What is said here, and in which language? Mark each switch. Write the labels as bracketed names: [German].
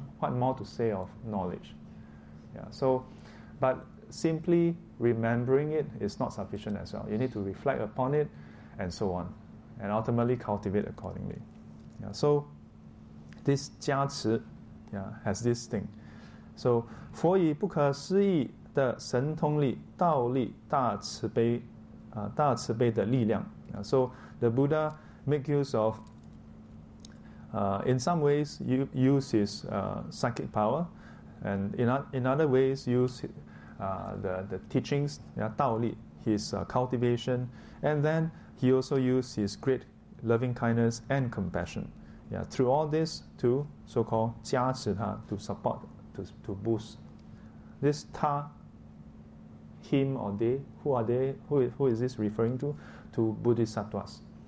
[English] What more to say of knowledge? Yeah, so, but simply remembering it is not sufficient as well. You need to reflect upon it and so on, and ultimately cultivate accordingly. Yeah, so this 加持, yeah, has this thing. [Chinese] So 佛以不可思议的神通力道力大慈悲的力量. [English] Yeah, so the Buddha make use of in some ways use his psychic power, and in other ways use the teachings, yeah, 道力, his cultivation, and then he also used his great loving kindness and compassion, yeah, through all this to so-called 加持他, to support, to boost this 他, him or they, who are they, who is this referring to bodhisattvas.